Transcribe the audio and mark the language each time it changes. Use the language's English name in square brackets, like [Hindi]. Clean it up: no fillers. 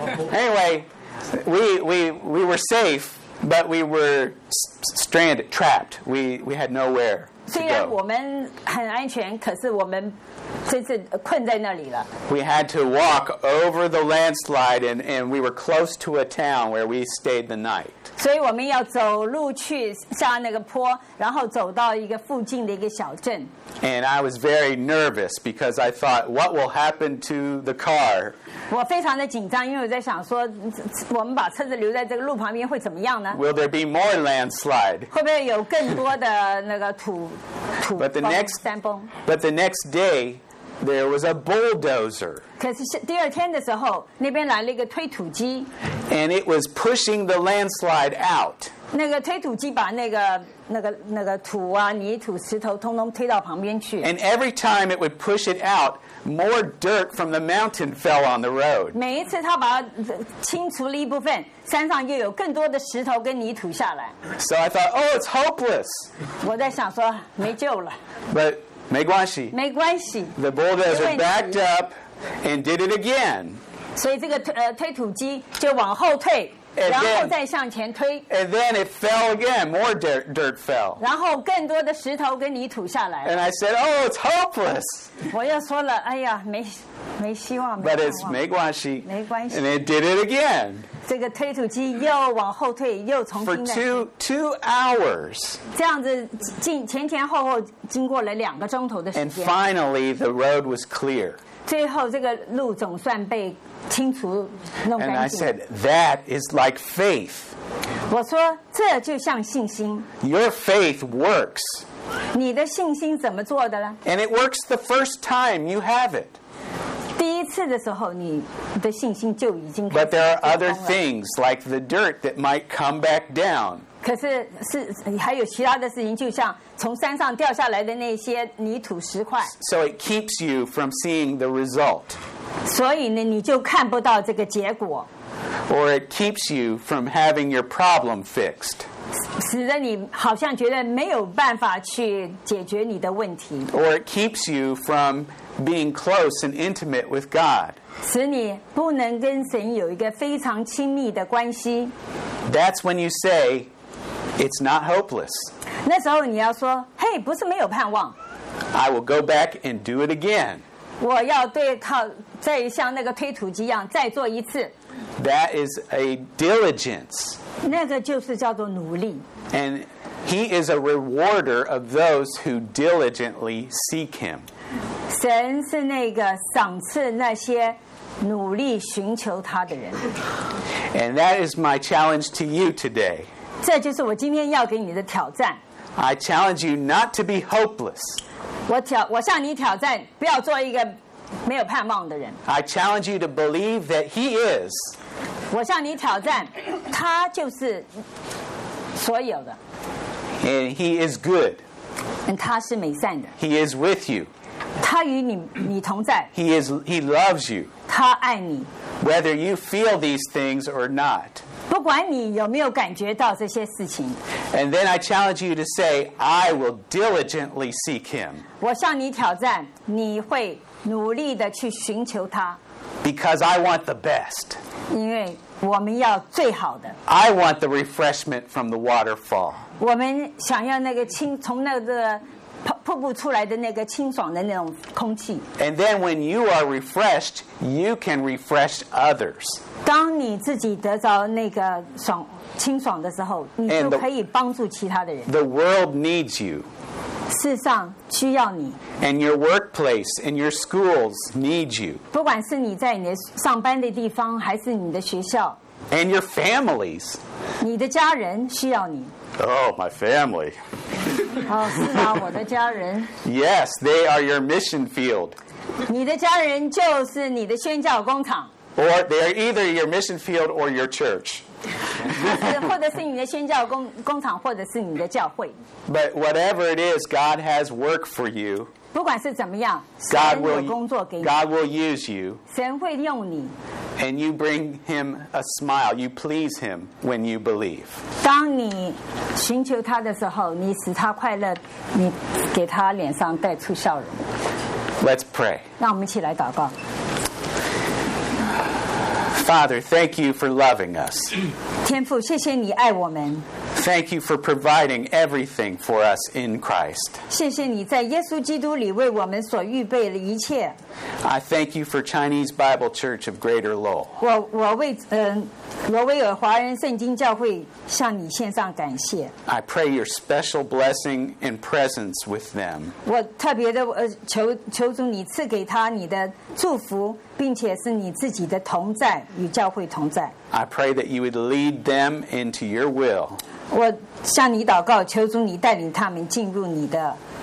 [English] Anyway, we were safe, but we were stranded, trapped. We had nowhere to go. [Chinese] 虽然我们很安全，可是我们真是困在那里了。 [English] We had to walk over the landslide and we were close to a town where we stayed the night. [Chinese] 所以我们要走路去下那个坡，然后走到一个附近的一个小镇。 [English] And I was very nervous because I thought, what will happen to the car? [Chinese] 我非常的紧张，因为我在想说，我们把车子留在这个路旁边会怎么样呢？ [English] Will there be more landslide? [Chinese] 会不会有更多的那个土土崩？ [English] But the next day. There was a bulldozer. [Chinese] 可是第二天的时候，那边来了一个推土机。 [English] And it was pushing the landslide out. [Chinese] 那个推土机把那个土啊、泥土、石头通通推到旁边去。 [English] And every time it would push it out, more dirt from the mountain fell on the road. [Chinese] 每一次他把清除了一部分，山上又有更多的石头跟泥土下来。 [English] So I thought, oh, it's hopeless. [Chinese] 我在想说没救了。 [English] But [Chinese] 没关系。没关系。 [English] The bulldozer backed up and did it again. [Chinese] 所以这个推土机就往后退， [English] and [Chinese] 然后再向前推。 [English] And then it fell again. More dirt fell. [Chinese] 然后更多的石头跟泥土下来。 [English] And I said, "Oh, it's hopeless." [Chinese] 我又说了，哎呀，没希望。 [English] But it's [Chinese] 没关系。没关系。 [English] And it did it again. [Chinese] 这个推土机又往后退，又重新再。 [English] For two hours. [Chinese] 这样子前前后后经过了两个钟头的时间。 [English] And finally, the road was clear. [Chinese] 最后这个路总算被清除弄干净。 [English] And I said, "That is like faith." [Chinese] 我说这就像信心。 [English] Your faith works. [Chinese] 你的信心怎么做的呢 [English] ？And it works the first time you have it. [Chinese] 第一次的时候，你的信心就已经。 [English] But there are other things like the dirt that might come back down. [Chinese] 可是是还有其他的事情，就像从山上掉下来的那些泥土石块。 [English] So it keeps you from seeing the result. [Chinese] 所以呢，你就看不到这个结果。 [English] Or it keeps you from having your problem fixed. [Chinese] 使得你好像觉得没有办法去解决你的问题。 [English] Or it keeps you from. Being close and intimate with God. [Chinese] 使你不能跟神有一个非常亲密的关系。 [English] That's when you say, it's not hopeless. [Chinese] 那时候你要说，嘿，不是没有盼望。 [English] I will go back and do it again. [Chinese] 我要对抗，再像那个推土机一样，再做一次。 [English] That is a diligence. [Chinese] 那个就是叫做努力。 [English] And he is a rewarder of those who diligently seek him. [Chinese] 神是那个赏赐那些努力寻求他的人。 [English] And that is my challenge to you today. [Chinese] 这就是我今天要给你的挑战。 [English] I challenge you not to be hopeless. [Chinese] 我向你挑战，不要做一个没有盼望的人。 [English] I challenge you to believe that he is. [Chinese] 我向你挑战，他就是所有的。 [English] And he is good. And [Chinese] 他是美善的。 [English] He is with you. [Chinese] 他与你同在。 [English] He loves you. [Chinese] 他爱你。 [English] Whether you feel these things or not. [Chinese] 不管你有没有感觉到这些事情。 [English] And then I challenge you to say, I will diligently seek him. [Chinese] 我向你挑战，你会努力地去寻求他。 [English] Because I want the best. [Chinese] 因为我们要最好的。 [English] I want the refreshment from the waterfall. [Chinese] 我们想要那个清，从那个瀑布出来的那个清爽的那种空气。 [English] And then when you are refreshed, you can refresh others. [Chinese] 当你自己得着那个爽清爽的时候，你就可以帮助其他的人。 [English] The world needs you. [Chinese] 世上需要你。 [English] And your workplace and your schools need you. [Chinese] 不管是你在你上班的地方，还是你的学校。 [English] And your families. [Chinese] 你的家人需要你。 [English] Oh, my family. [Chinese] 哦，是吗？我的家人。 [English] Yes, they are your mission field. [Chinese] 你的家人就是你的宣教工厂。 [English] Or they are either your mission field or your church. [Chinese] 或者是你的宣教工厂，或者是你的教会。 [English] But whatever it is, God has work for you. [Chinese] 不管是怎么样，神有工作给你。 [English] God will use you. [Chinese] 神会用你。 [English] And you bring him a smile. You please him when you believe. [Chinese] 当你寻求他的时候，你使他快乐，你给他脸上带出笑容。 [English] Let's pray. [Chinese] 让我们一起来祷告。 [English] Father, thank you for loving us. [Chinese] 天父，谢谢你爱我们。 [English] Thank you for providing everything for us in Christ. [Chinese] 谢谢你在耶稣基督里为我们所预备的一切。 [English] I thank you for Chinese Bible Church of Greater Lowell. [Chinese] 罗威尔华人圣经教会向你献上感谢。 [English] I pray your special blessing and presence with them. [Chinese] 我特别的求主你赐给他你的祝福，并且是你自己的同在与教会同在。 [English] I pray that you would lead them into your will. [Chinese] 我向你祷告，求主你带领他们进入你的。